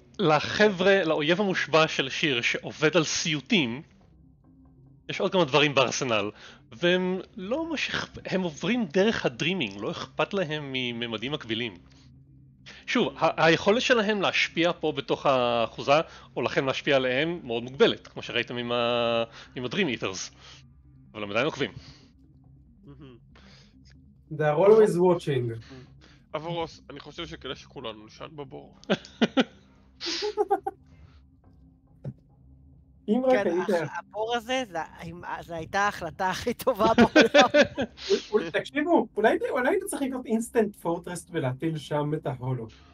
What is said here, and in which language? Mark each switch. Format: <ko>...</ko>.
<he>לחבר'ה, לאויב המושבע של שיר שעובד על סיוטים, יש עוד כמה דברים בארסנל, והם לא ממש אכפת, הם עוברים דרך הדרימינג, לא אכפת להם מממדים מקבילים. שוב, היכולת שלהם להשפיע פה בתוך האחוזה, או לכן להשפיע עליהם, מאוד מוגבלת, כמו שראיתם עם הדרים איטרס. אבל הם עדיין עוקבים.</he> <en>They are always watching.</en> <he>אברוס, אני חושב שכדי שכולנו נשען בבור. הבור הזה, זו הייתה ההחלטה הכי טובה בעולם. תקשיבו, אולי היית צריך לקנות אינסטנט פורטרס ולהטיל שם את ההולו.</he>